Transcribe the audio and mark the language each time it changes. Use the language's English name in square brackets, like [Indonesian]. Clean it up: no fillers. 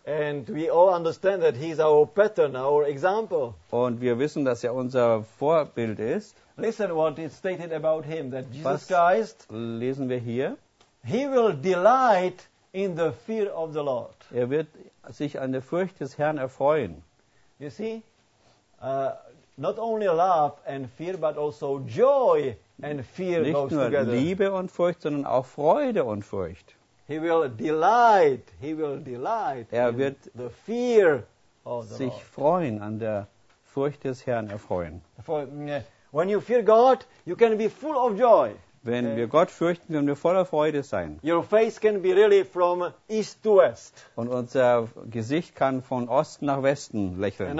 [English] And we all understand that he is our pattern, our example. [German] Und wir wissen, dass er unser Vorbild ist. [English] Listen what is stated about him, that Jesus Christ. [German] Lesen wir hier. [English] He will delight in the fear of the Lord. [German] Er wird sich an der Furcht des Herrn erfreuen. [English] You see, not only love and fear, but also joy and fear goes together. [German] Nicht nur Liebe und Furcht, sondern auch Freude und Furcht. [English] He will delight. He will delight. [German] Er wird [English] in the fear of the [German] sich [English] Lord. [German] Freuen an der Furcht des Herrn erfreuen. [English] For, when you fear God, you can be full of joy. [German] Wenn wir Gott fürchten, können wir voller Freude sein. [English] Your face can be really from east to west. [German] Und unser Gesicht kann von Osten nach Westen lächeln.